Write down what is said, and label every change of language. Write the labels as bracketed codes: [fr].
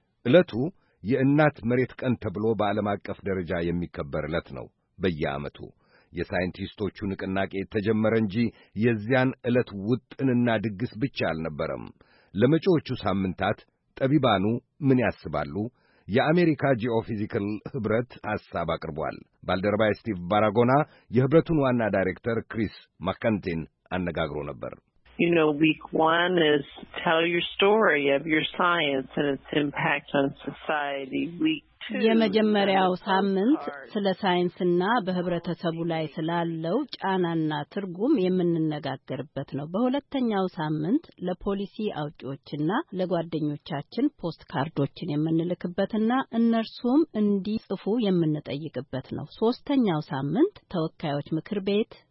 [am] ዕለቱ የእናት መሬት ቀን ተብሎ በዓለም አቀፍ ደረጃ የሚከበር ዕለት ነው። በየዓመቱ የሳይንቲስቶቹ ንቅናቄ ተጀመረ እንጂ የዚያን ዕለት ውጥንና ድግስ ብቻ አልነበረም። ለመጪዎቹ ሳምንታት ጠቢባኑ ምን ያስባሉ? የአሜሪካ ጂኦፊዚካል ኅብረት ሐሳብ አቅርቧል። ባልደረባ ስቲቭ ባራጎና የኅብረቱን ዋና ዳይሬክተር ክሪስ ማካንቲን አነጋግሮ ነበር። [en] You know, week one is tell your story of your science and its impact on society. Week two, [am] የመጀመሪያው ሳምንት ስለ ሳይንስና በህብረተሰቡ ላይ ስላለው ጫናና ትርጉም የምንነጋገርበት ነው። በሁለተኛው ሳምንት ለፖሊሲ አውጪዎችና ለጓደኞቻችን ፖስት ካርዶችን የምንልክበትና እነርሱም እንዲጽፉ የምንጠይቅበት ነው። ሶስተኛው ሳምንት ተወካዮች ምክር ቤት፣